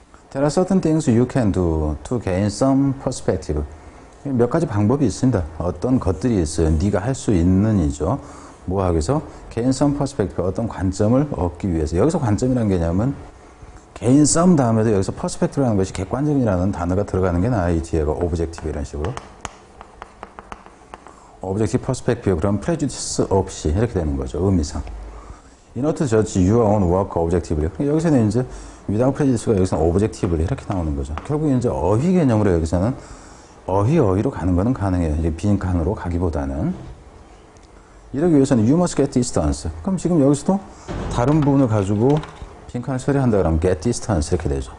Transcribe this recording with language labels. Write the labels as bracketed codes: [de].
[en] There are certain things you can do to gain some perspective. [ko] 몇 가지 방법이 있습니다. 어떤 것들이 있어요. 네가 할 수 있는 이죠. 뭐 하기서 [en] gain some perspective [ko] 어떤 관점을 얻기 위해서 여기서 관점이란 개념은 개인 썸 다음에도 여기서 퍼스펙트라는 것이 객관적이라는 단어가 들어가는 게 나아요. 이 뒤에가 오브젝티브 이런 식으로. 오브젝티브 퍼스펙티브 그럼 프레주디스 없이 이렇게 되는 거죠. 의미상. [en] In order to judge your own work objectively. [ko] 여기서는 이제 [en] without prejudice [ko] 가 여기서는 오브젝티브리 이렇게 나오는 거죠. 결국 이제 어휘 개념으로 여기서는 어휘로 가는 거는 가능해요. 이제 빈칸으로 가기보다는. 이러기 위해서는 [en] you must get distance. [ko] 그럼 지금 여기서도 다른 부분을 가지고 빈칸을 처리한다 그러면 get distance 이렇게 되죠.